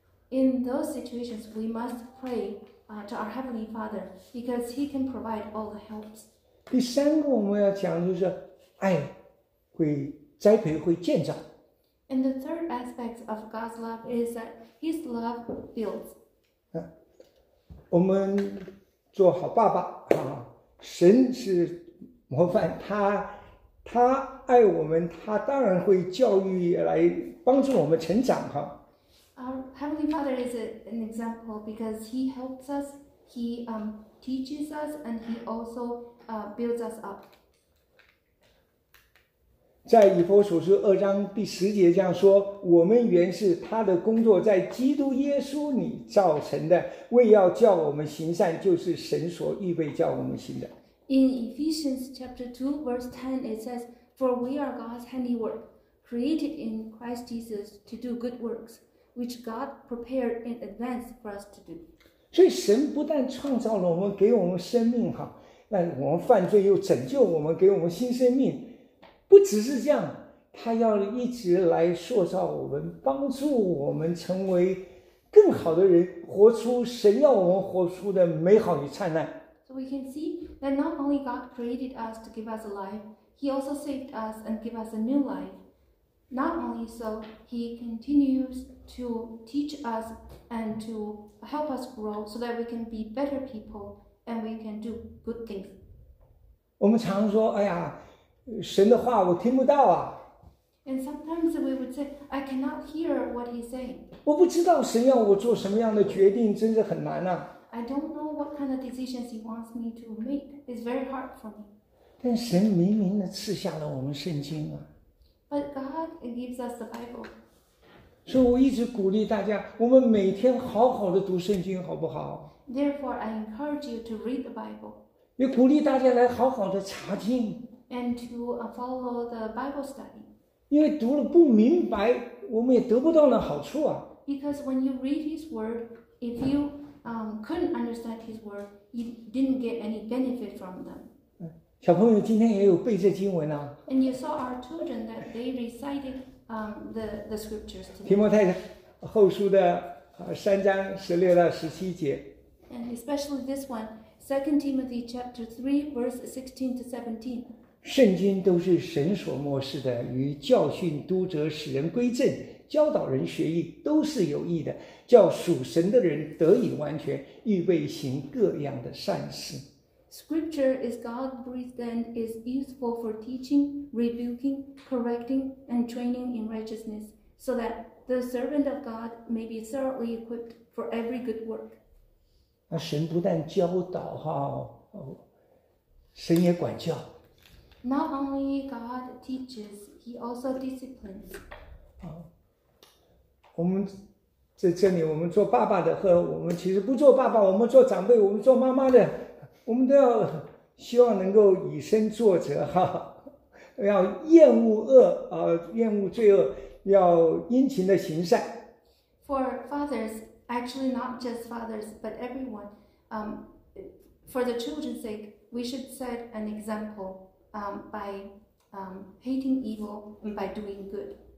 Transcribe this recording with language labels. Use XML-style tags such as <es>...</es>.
<en>In those situations, we must pray to our Heavenly Father because He can provide all the helps.</en> <zh>第三个我们要讲就是爱会栽培会建造。</zh> <en>And the third aspect of God's love is that His love builds.</en> <zh>我们做好爸爸啊，神是模范，他爱我们，他当然会教育来帮助我们成长哈。</zh> <en>Our Heavenly Father is an example because He helps us, He teaches us, and He also builds us up.</en> <zh>在以弗所书二章第十节这样说：“我们原是他的工作，在基督耶稣里造成的，为要叫我们行善，就是神所预备叫我们行的。”</zh> <en>In Ephesians chapter 2, verse 10, it says, "For we are God's handiwork, created in Christ Jesus to do good works. Which God prepared in advance for us to do.</en> <zh>所以神不但创造了我们，给我们生命哈，那我们犯罪又拯救我们，给我们新生命。不只是这样，他要一直来塑造我们，帮助我们成为更好的人，活出神要我们活出的美好与灿烂。</zh> <en>So we can see that not only God created us to give us a life, He also saved us and give us a new life. Not only so, He continues to teach us and to help us grow so that we can be better people and we can do good things.</en> <zh>我们常说哎呀神的话我听不到啊。</zh> <en>And sometimes we would say, I cannot hear what He's saying.</en> <zh>我不知道神要我做什么样的决定真是很难啊。</zh> <en>I don't know what kind of decisions He wants me to make. It's very hard for me.</en> <zh>但神明明地赐下了我们圣经啊。</zh> <en>But God gives us the Bible.</en> <zh>所以我一直鼓励大家，我们每天好好的读圣经，好不好</zh> <en>？Therefore, I encourage you to read the Bible.</en> <zh>也鼓励大家来好好的查经。</zh> <en>And to follow the Bible study.</en> <zh>因为读了不明白，我们也得不到那好处啊。</zh> <en>Because when you read His word, if you couldn't understand His word, you didn't get any benefit from them.</en> <zh>小朋友今天也有背这经文啊。</zh> <en>And you saw our children that they recited the scriptures today.</en> <zh>提摩太后书的三章十六到十七节。</zh> <en>And especially this one, 2 Timothy chapter 3, verse 16 to 17.</en> <zh>圣经都是神所默示的，与教训、督责、使人归正、教导人学义，都是有益的，叫属神的人得以完全，预备行各样的善事。</zh> <en>Scripture is God-breathed and is useful for teaching, rebuking, correcting, and training in righteousness, so that the servant of God may be thoroughly equipped for every good work.</en> <zh>那神不但教导哈，神也管教。</zh> <en>Not only God teaches, He also disciplines.</en> <zh>我们在这里，我们做爸爸的和我们其实不做爸爸，我们做长辈，我们做妈妈的。我们都要希望能够以身作则哈，要厌恶恶啊，厌恶罪恶，要殷勤的行善。</zh> <en>For fathers, actually not just fathers, but everyone, for the children's sake, we should set an example, by hating evil and by doing good.</en>